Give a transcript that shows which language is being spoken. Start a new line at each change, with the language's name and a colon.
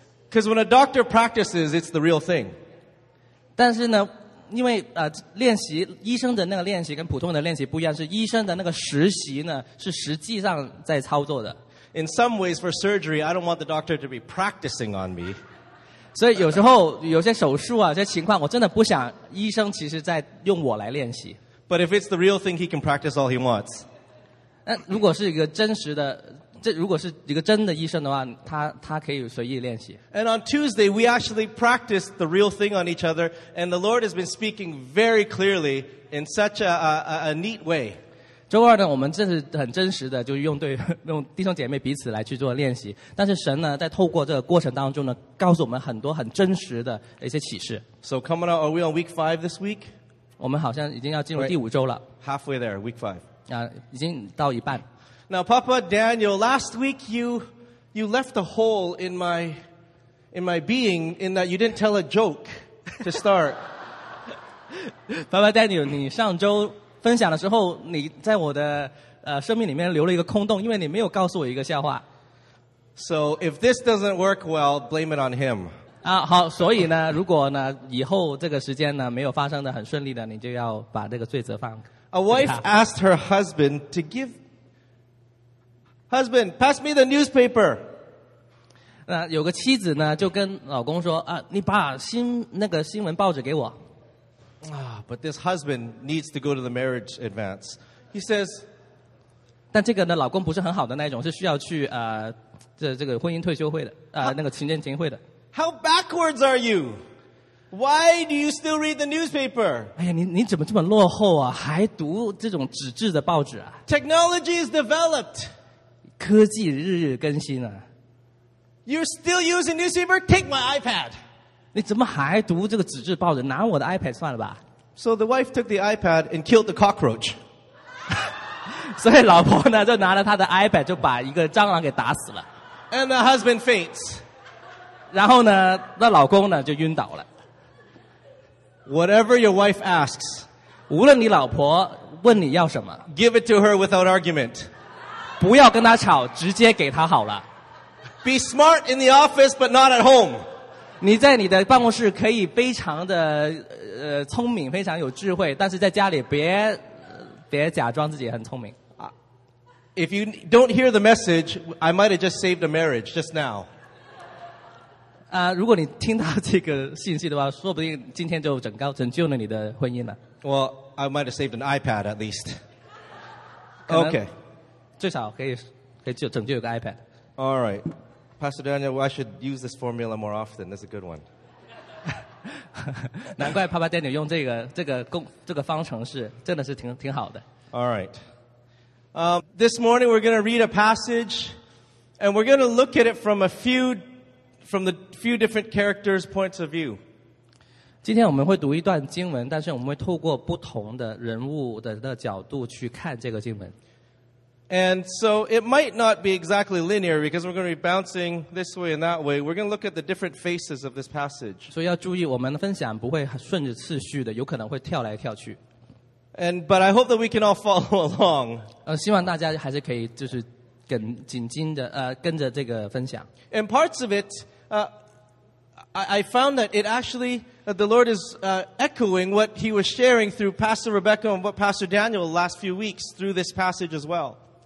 English: Because when a doctor practices, it's the real thing.
Chinese: 但是呢，因为练习医生的那个练习跟普通的练习不一样，是医生的那个实习呢是实际上在操作的。
English: In some ways, for surgery, I don't want the doctor to be practicing on me.
Chinese: 所以有时候有些手术啊，有些情况，我真的不想医生其实在用我来练习。
English: But if it's the real thing, he can practice all he wants.
Chinese: 如果是一个真实的，这如果是一个真的医生的话，他可以随意练习。
English: And on Tuesday, we actually practiced the real thing on each other, and the Lord has been speaking very clearly in such a neat way.
Chinese: 周二呢，我们这是很真实的，就用弟兄姐妹彼此来去做练习。但是神呢，在透过这个过程当中呢，告诉我们很多很真实的一些启示。
English: So coming out, are we on week 5 this week?
Chinese: 我们好像已经要进入第五周了。
English: Right. Halfway there, week 5.
Chinese: 已经到一半。
English: Now, Papa Daniel, last week you left a hole in my being in that you didn't tell a joke to start.
Chinese: Papa Daniel, 你上周分享的时候，你在我的生命里面留了一个空洞，因为你没有告诉我一个笑话。
English: So if this doesn't work well, blame it on him.
Chinese: 好，所以呢，如果呢以后这个时间呢没有发生的很顺利的，你就要把这个罪责放。
English: A wife asked her husband to give. Husband, pass me the newspaper.
Chinese: 那有个妻子呢就跟老公说啊，你把新闻报纸给我。
English: But this husband needs to go to the marriage advance. He says,
Chinese: 但这个呢，老公不是很好的那一种，是需要去这个婚姻退休会的那个情人节会的。
English: How backwards are you? Why do you still read the newspaper?
Chinese: 哎呀，你怎么这么落后啊？还读这种纸质的报纸啊
English: ？Technology is developed.
Chinese: 科技日日更新啊。
English: You're still using newspaper? Take my iPad.
Chinese: 你怎么还读这个纸质报纸？拿我的 iPad 算了吧。
English: So the wife took the iPad and killed the cockroach.
Chinese: 所以老婆呢就拿了她的 iPad 就把一个蟑螂给打死了。
English: And the husband faints.
Chinese: 然后呢那老公呢就晕倒了。
English: Whatever your wife asks,
Chinese: 无论你老婆问你要什么
English: give it to her without argument.
Chinese: 不要跟她吵直接给她好了。
English: Be smart in the office but not at home.
Chinese: 你在你的办公室可以非常的聪明非常有智慧但是在家里别假装自己很聪明
English: If you don't hear the message I might have just saved a marriage just now
Chinese: 如果你听到这个信息的话说不定今天就拯救了你的婚姻了
English: Well I might have saved an iPad at least Okay
Chinese: 最少可以拯救一个 iPad
English: All right Pastor Daniel I should use this formula more often That's a good one
Chinese: 难怪 Papa Daniel 用这个方程式真的是挺好的。
English: All right. This morning we're going to read a passage, and we're going to look at it from the few different characters' points of view.
Chinese: 今天我们会读一段经文，但是我们会透过不同的人物的角度去看这个经文。
English: And so it might not be exactly linear because we're going to be bouncing this way and that way. We're going to look at the different faces of this passage.
Chinese: 所以要注意, 我们的分享不会顺着次序的, 有可能会跳来跳去。
English: And, but I hope that we can all follow along.
Chinese: 希望大家还是可以就是紧紧的, 跟着这个分享。
English: And parts of it, I found that it actually, the Lord is echoing what he was sharing through Pastor Rebecca and what Pastor Daniel last few weeks through this passage as well.